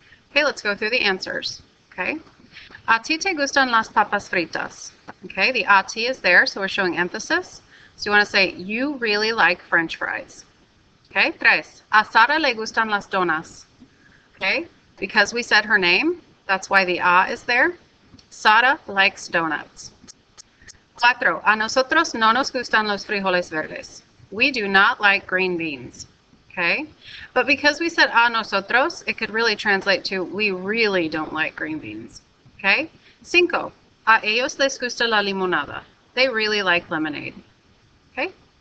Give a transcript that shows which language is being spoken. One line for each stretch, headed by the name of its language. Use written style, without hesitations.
English: Okay, let's go through the answers. Okay.
Spanish: A ti te gustan las papas fritas?
English: Okay, the a ti is there, so we're showing emphasis. So you want to say, you really like French fries. Okay, tres.
Spanish: A Sara le gustan las donas.
English: Okay, because we said her name, that's why the a is there. Sara likes donuts. Cuatro.
Spanish: A nosotros no nos gustan los frijoles verdes.
English: We do not like green beans. Okay, but because we said a nosotros, it could really translate to we really don't like green beans.
Spanish: Okay, cinco. A ellos les gusta la limonada.
English: They really like lemonade. Okay.